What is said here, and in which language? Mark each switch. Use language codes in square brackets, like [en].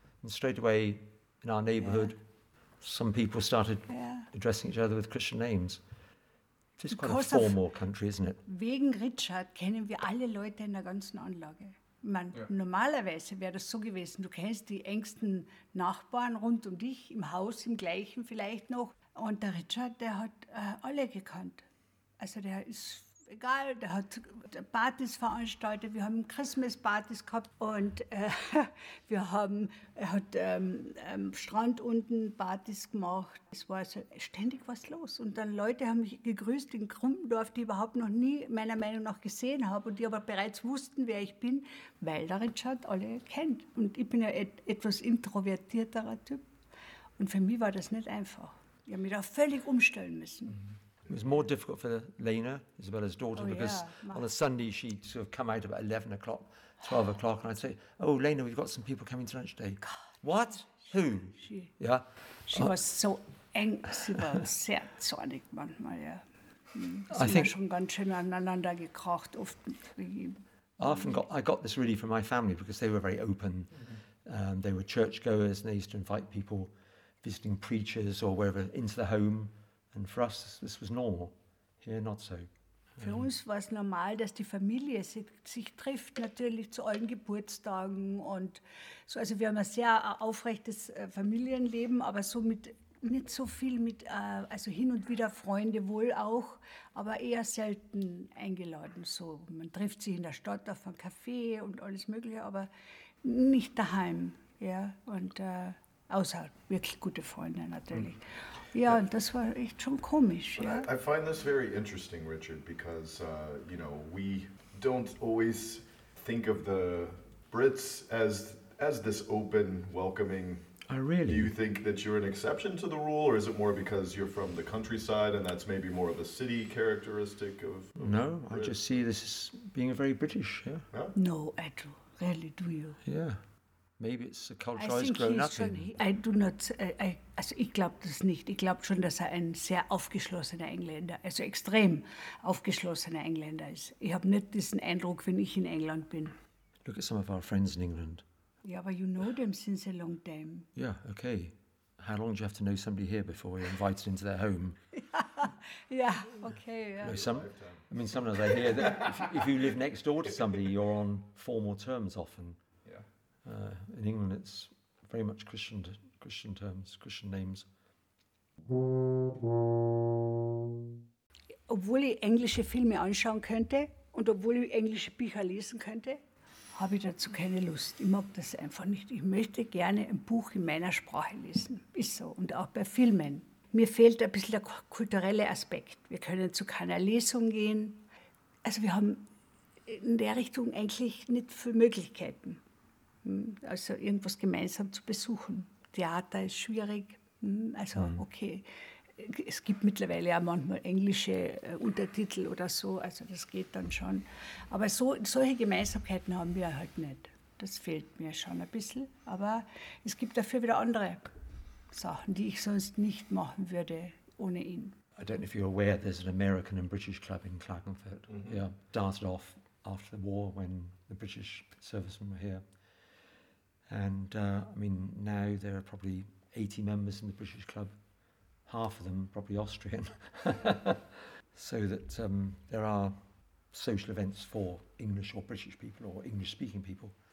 [en] And straight away in our neighborhood, some people started addressing each other with Christian names. It is quite a formal country, isn't it? [de] Wegen Richard kennen wir alle Leute in der ganzen Anlage. Ich meine, normalerweise wäre das so gewesen, du kennst die engsten Nachbarn rund um dich, im Haus, im Gleichen vielleicht noch. Und der Richard, der hat alle gekannt. Also der ist egal, der hat Partys veranstaltet, wir haben Christmas-Partys gehabt und er hat am Strand unten Partys gemacht. Es war also ständig was los. Und dann Leute haben mich gegrüßt in Krumpendorf, die ich überhaupt noch nie meiner Meinung nach gesehen habe und die aber bereits wussten, wer ich bin, weil der Richard alle kennt. Und ich bin ja etwas introvertierterer Typ. Und für mich war das nicht einfach. Ich habe mich da völlig umstellen müssen. Mm-hmm. [en] It was more difficult for Lena, Isabella's daughter, because on a Sunday she'd sort of come out about 11 o'clock, 12 o'clock, and I'd say, oh, Lena, we've got some people coming to lunch today. God. What? Who? She was so angst. [de] Sie war sehr zornig manchmal, ja. Sie sind schon ganz schön aneinander gekracht, oft mit ihm. [en] I got this really from my family because they were very open. Mm-hmm. They were churchgoers and they used to invite people visiting preachers or wherever into the home. And for us, this was normal. Here, not so. [de] Für uns war es normal, dass die Familie sich trifft, natürlich zu allen Geburtstagen und so. Also wir haben ein sehr aufrechtes Familienleben, aber so mit nicht so viel mit, also hin und wieder Freunde wohl auch, aber eher selten eingeladen. So, man trifft sich in der Stadt auf einen Café und alles Mögliche, aber nicht daheim. Ja? Und außer wirklich gute Freunde natürlich. Ja, und das war echt schon komisch. Ja? [en] I find this very interesting, Richard, because you know, we don't always think of the Brits as this open, welcoming. Oh, really? Do you think that you're an exception to the rule, or is it more because you're from the countryside and that's maybe more of a city characteristic of No, Brit? I just see this as being a very British, yeah? No, I do. Really, do you? Yeah. Maybe it's a culture I've grown up in. I do not... [de] Also, ich glaube das nicht. Ich glaube schon, dass er ein sehr aufgeschlossener Engländer, also extrem aufgeschlossener Engländer ist. Ich habe nicht diesen Eindruck, wenn ich in England bin. [en] Look at some of our friends in England. Yeah, but you know them since a long time. Yeah, okay. How long do you have to know somebody here before you're invited into their home? Yeah, okay. Yeah. You know, sometimes I hear that if you live next door to somebody, you're on formal terms often. Yeah. In England, it's very much Christian terms, Christian names. [de] Obwohl ich englische Filme anschauen könnte und obwohl ich englische Bücher lesen könnte, habe ich dazu keine Lust. Ich mag das einfach nicht. Ich möchte gerne ein Buch in meiner Sprache lesen. Ist so. Und auch bei Filmen. Mir fehlt ein bisschen der kulturelle Aspekt. Wir können zu keiner Lesung gehen. Also wir haben in der Richtung eigentlich nicht viele Möglichkeiten. Also irgendwas gemeinsam zu besuchen. Theater ist schwierig. Also okay. Es gibt mittlerweile ja manchmal englische Untertitel oder so, also das geht dann schon. Aber solche Gemeinsamkeiten haben wir halt nicht. Das fehlt mir schon ein bisschen. Aber es gibt dafür wieder andere Sachen, die ich sonst nicht machen würde ohne ihn. [en] I don't know if you're aware, there's an American and British club in Klagenfurt. Mm-hmm. Yeah, started off after the war when the British servicemen were here. And I mean, now there are probably 80 members in the British club. Half of them probably Austrian, so that there are social events for English or British people or English-speaking people.